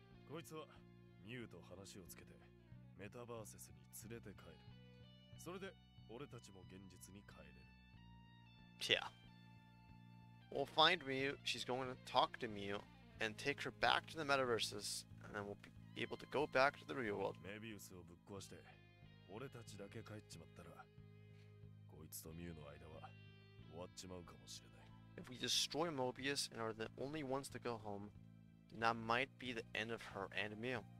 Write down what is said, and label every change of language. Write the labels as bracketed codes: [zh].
[ja] こいつはミュウと話をつけてメタバーセスに連れて帰る。それで俺たちも現実に帰れる。 [en] Yeah. We'll find Mew. She's going to talk to Mew and take her back to the metaverses, and then we'll be able to go back to the real world. [ja] メビウスをぶっ壊して俺たちだけ帰っちまったら、こいつとミュウの間は終わっちまうかもしれない。 [en] If we destroy Mobius and are the only ones to go home. And that might be the end of her and Mew.